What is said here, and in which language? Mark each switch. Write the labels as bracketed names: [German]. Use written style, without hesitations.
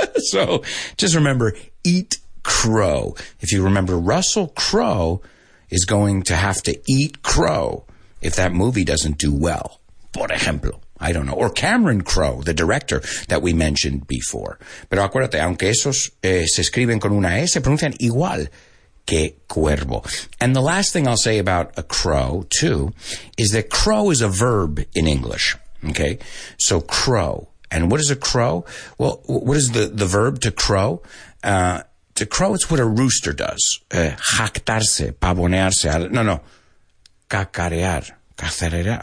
[English] So just remember, eat crow. If you remember, Russell Crowe is going to have to eat crow if that movie doesn't do well. [Spanish] Por ejemplo, [English] I don't know. Or Cameron Crowe, the director that we mentioned before. [Spanish] Pero acuérdate, aunque esos se escriben con una S, se pronuncian igual. Que cuervo. [English] And the last thing I'll say about a crow, too, is that crow is a verb in English. Okay? So crow. And what is a crow? Well, what is the verb to crow? To crow, it's what a rooster does. [Spanish] Jactarse, pavonearse. No, no. Cacarear. Cacerear.